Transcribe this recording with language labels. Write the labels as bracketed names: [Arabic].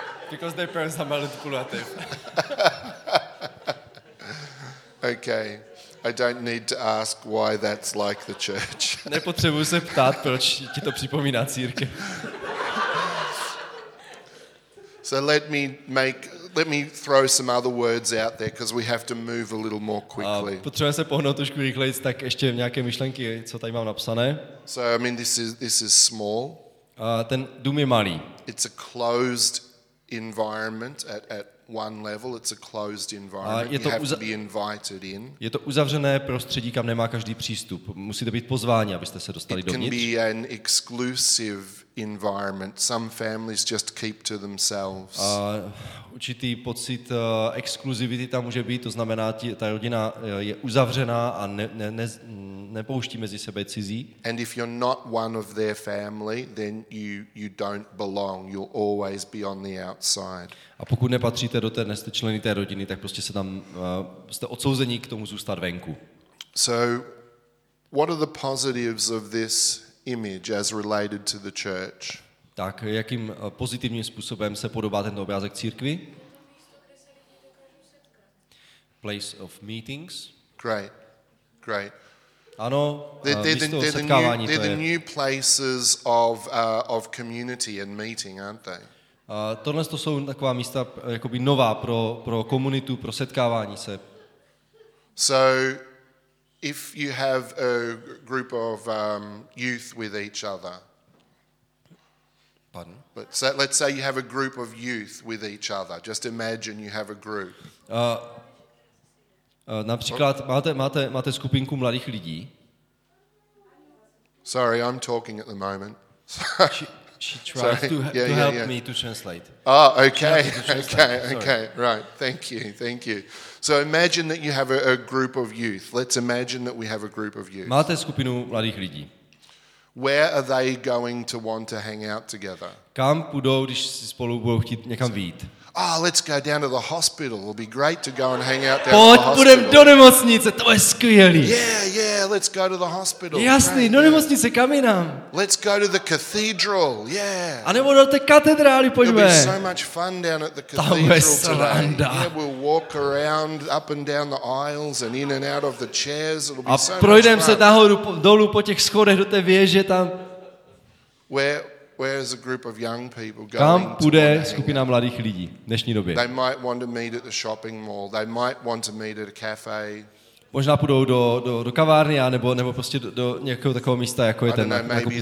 [English] Because their parents are manipulative. Okay, I don't need to ask why that's like the church. [Czech] Nepotřebuji se ptát, proč ti to připomíná církev. [English] So let me throw some other words out there because we have to move a little more quickly. [Czech] Potřebujeme se pohnout trošku rychleji, tak ještě nějaké myšlenky, co tady mám napsané. [English] So I mean this is small. [Czech] Ten dům je malý. [English] It's a closed environment at one level, it's a closed environment. You have to be invited in. [Czech] Je to uzavřené prostředí, kam nemá každý přístup. Musíte být pozváni, abyste se dostali dovnitř. [English] It can be an exclusive environment. Some families just keep to themselves. [Czech] Určitý pocit exkluzivity tam může být, to znamená, ta rodina je uzavřená a nepouští mezi sebe cizí. [English] And if you're not one of their family, then you don't belong. You'll always be on the outside. [Czech] A pokud nepatříte do té, nejste členy té rodiny, tak prostě se tam jste odsouzení k tomu zůstat venku. [English] So what are the positives of this image as related to the church? [Czech] Tak jakým pozitivním způsobem se podobá tento obrázek církvi? [English] Place of meetings. Great. [Czech] Ano, místo setkávání, to je. [English] They're the new places of community and meeting, aren't they? [Czech] Tohle to jsou taková místa jakoby nová pro komunitu, pro setkávání se. [English] So if you have a group of youth with each other. Pardon? But so let's say you have a group of youth with each other. Just imagine you have a group. [Czech] Například máte skupinku mladých lidí. [English] Sorry, I'm talking at the moment. She tries to help me to translate. Okay. Right. Thank you. So imagine that you have a group of youth. Let's imagine that we have a group of youth. [Czech] Máte skupinu mladých lidí. [English] Where are they going to want to hang out together? [Czech] Kam půjdou, když si spolu budou chtít někam vyjít? [English] Oh, let's go down to the hospital. It'll be great to go and hang out there. [Czech] Pojď, půjdem do nemocnice, to je skvělý. [English] Yeah, let's go to the hospital. [Czech] Jasný, do nemocnice, kam jinam? [English] Let's go to the cathedral, yeah. [Czech] A nebo do té katedrály, pojďme. [English] It'll be so much fun down at the cathedral today. Yeah, we'll walk around up and down the aisles and in and out of the chairs. It'll be so much fun. [Czech] A projdem se nahoru, dolů po těch schodech do té věže tam. [English] Where is a group of young people going? [Czech] Kam bude skupina mladých lidí v dnešní době? [English] They might want to meet at the shopping mall. They might want to meet at a cafe. [Czech] Možná půjdou do kavárny, a nebo prostě do nějakého takového místa, jako je ten nákupní